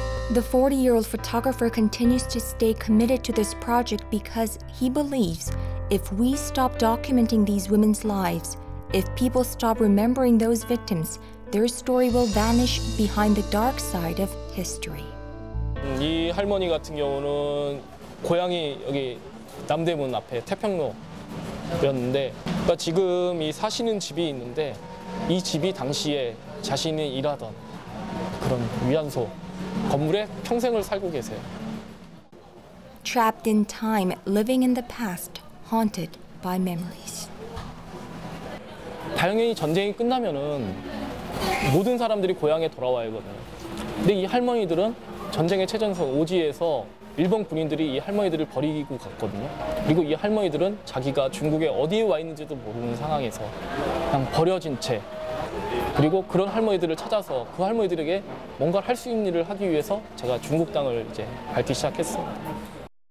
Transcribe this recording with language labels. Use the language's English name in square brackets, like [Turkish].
[English] The 40-year-old photographer continues to stay committed to this project because he believes if we stop documenting these women's lives, if people stop remembering those victims, their story will vanish behind the dark side of history. [Korean] 이 할머니 같은 경우는 고향이 여기 남대문 앞에 태평로였는데 그러니까 지금 이 사시는 집이 있는데 이 집이 당시에 자신이 일하던 그런 위안소 건물에 평생을 살고 계세요. [English] Trapped in time, living in the past, haunted by memories. [Korean] 다행히 전쟁이 끝나면은 모든 사람들이 고향에 돌아와야거든요. 근데 이 할머니들은 전쟁의 최전선 오지에서 일본 군인들이 이 할머니들을 버리고 갔거든요. 그리고 이 할머니들은 자기가 중국에 어디에 와 있는지도 모르는 상황에서 그냥 버려진 채 그리고 그런 할머니들을 찾아서 그 할머니들에게 뭔가를 할 수 있는 일을 하기 위해서 제가 중국 땅을 이제 밟기 시작했습니다.